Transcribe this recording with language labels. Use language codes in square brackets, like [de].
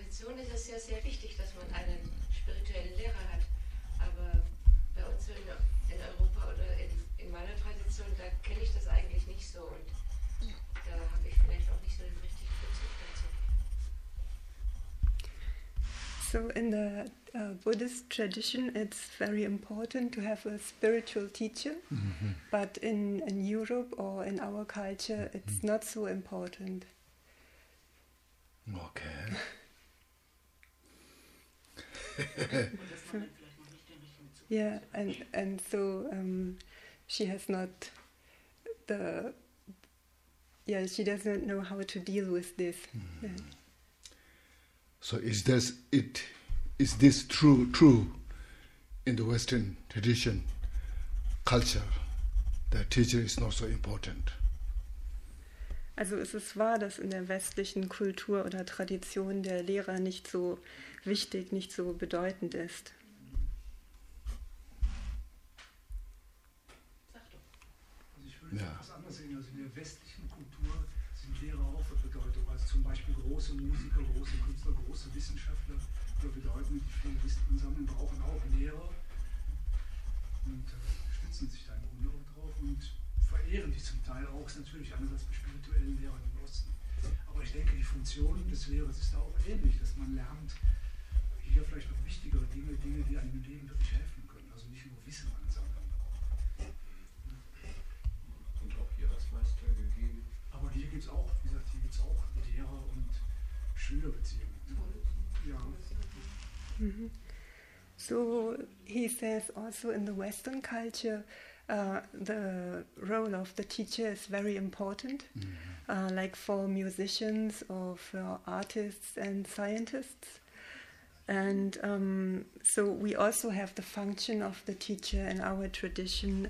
[de] Ist es ja sehr wichtig, dass man einen spirituellen Lehrer hat. Aber bei uns in Europa oder in meiner Tradition, da kenne ich das eigentlich nicht so. Und da habe ich vielleicht auch nicht so den richtigen Bezug dazu. [en] So in the Buddhist tradition, it's very important to have a spiritual teacher, mm-hmm. but in Europe or in our culture, it's mm-hmm. not so important. Okay. Yeah, and so she has not the yeah she doesn't know how to deal with this. Mm-hmm. So is this true in the Western tradition culture that teacher is not so important? [de] Also ist es wahr, dass in der westlichen Kultur oder Tradition der Lehrer nicht so wichtig, nicht so bedeutend ist? Sag doch. Also ich würde es etwas anders sehen. Also in der westlichen Kultur sind Lehrer auch von Bedeutung. Also zum Beispiel große Musiker, große Künstler, große Wissenschaftler bedeuten, die viel Wissen sammeln, brauchen auch Lehrer und stützen sich da im Grunde auch drauf und verehren die zum Teil auch, natürlich einerseits bei spirituellen Lehrern im Osten. Aber ich denke, die Funktion des Lehrers ist da auch ähnlich, dass man lernt, hier vielleicht noch wichtigere Dinge, die einem im Leben wirklich helfen können. Also nicht nur Wissen ansammeln. Und auch hier als Meister gegeben. Aber hier gibt es auch, wie gesagt, hier gibt es auch Lehrer- und Schülerbeziehungen. Ja. [en] So, he says also in the Western culture, the role of the teacher is very important, mm-hmm. Like for musicians or for artists and scientists. And so we also have the function of the teacher in our tradition.